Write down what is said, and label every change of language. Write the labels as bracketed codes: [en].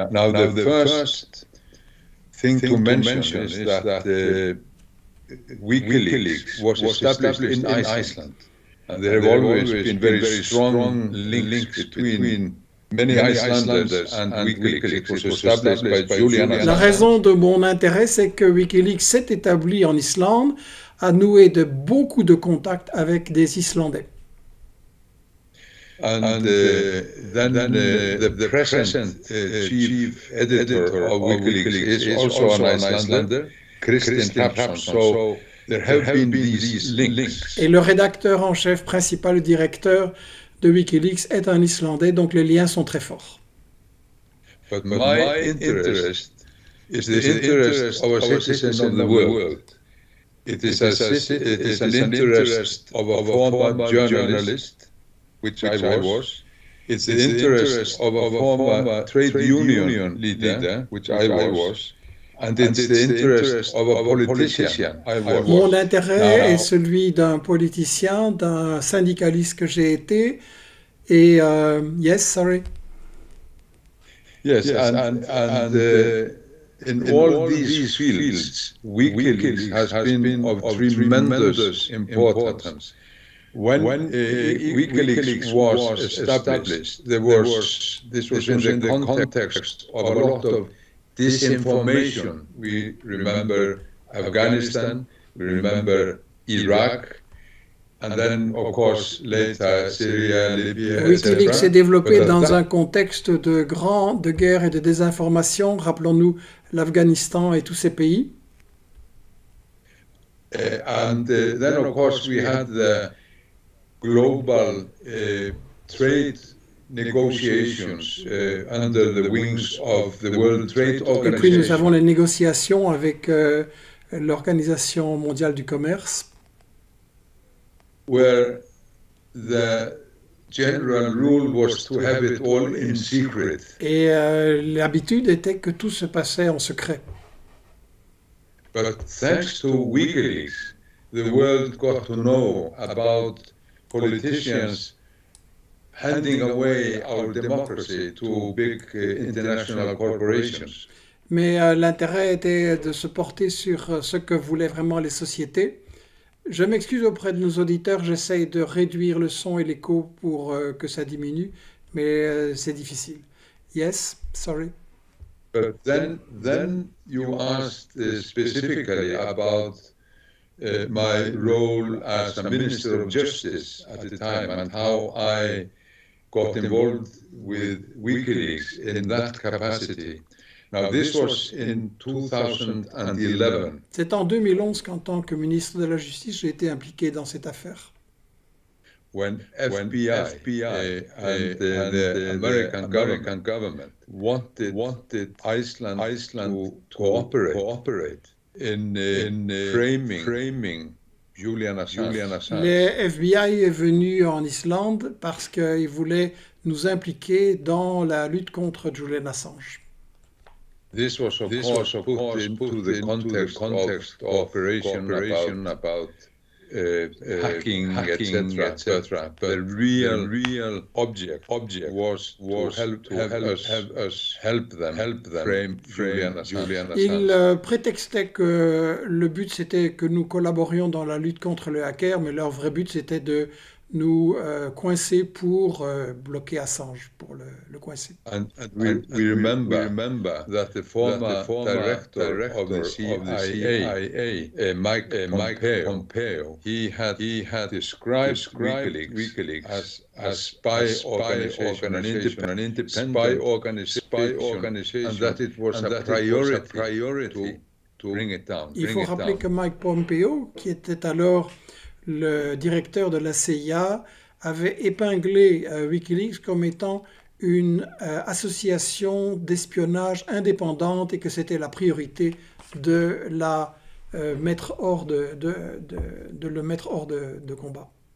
[en] Now, the first thing to mention is that WikiLeaks was established in Iceland, and there have always been very strong links between many Icelanders and WikiLeaks. It was established by Julian Assange. [fr] La raison de mon intérêt, c'est que WikiLeaks s'est établi en Islande, a noué de beaucoup de contacts avec des Islandais. [en] And then the present chief editor of WikiLeaks is also an Icelander, Kristinn Hrafnsson. So there have been these links. [fr] Et le rédacteur en chef principal, le directeur de WikiLeaks est un Islandais, donc les liens sont très forts. [en] But my interest is the interest of a citizen of the world. It is, it is an interest of a former journalist, which I was. It's the interest of a former trade union leader, which I was. And it's the interest of a politician, I was. [fr] Mon intérêt est celui d'un politicien, d'un syndicaliste que j'ai été. Et, [en] yes, sorry. Yes, and in all these fields, WikiLeaks has been of tremendous importance. When WikiLeaks was established, this was in the context of a lot of disinformation. We remember Afghanistan, we remember Iraq, and then, of course, later Syria, Libya, etc. [fr] WikiLeaks s'est développé dans un contexte de guerre et de désinformation. Rappelons-nous l'Afghanistan et tous ces pays. [en] Then, of course, we had the global trade negotiations under the wings of the World Trade Organization. [fr] Et puis, nous avons les négociations avec l'Organisation mondiale du commerce. [en] Where the general rule was to have it all in secret. [fr] Et l'habitude était que tout se passait en secret. [en] But thanks to WikiLeaks, the world got to know about politicians handing away our democracy to big international corporations. [fr] Mais l'intérêt était de se porter sur ce que voulaient vraiment les sociétés. Je m'excuse auprès de nos auditeurs, j'essaye de réduire le son et l'écho pour que ça diminue, mais c'est difficile. [en] Yes, sorry. But then you asked specifically about my role as a minister of justice at the time and how I got involved with WikiLeaks in that capacity. Now, this was in 2011. [fr] C'est en 2011 qu'en tant que ministre de la Justice, j'ai été impliqué dans cette affaire. [en] When FBI and the American government wanted Iceland to cooperate in framing Julian Assange. [fr] Le FBI est venu en Islande parce qu'il voulait nous impliquer dans la lutte contre Julian Assange. [en] This was of course put into the context of cooperation about hacking, etc. But the real object was to help them frame Julian Assange. [fr] Il prétextait que le but c'était que nous collaborions dans la lutte contre le hacker, mais leur vrai but c'était de nous coincer pour bloquer Assange, pour le coincer. [en] And we remember that the former director of the CIA, Mike Pompeo, he had described WikiLeaks as an independent spy organization, and that it was a priority to bring it down. [fr] Il faut rappeler que Mike Pompeo, qui était alors le directeur de la CIA, avait épinglé WikiLeaks comme étant une association d'espionnage indépendante et que c'était la priorité de la mettre hors de le mettre hors de combat.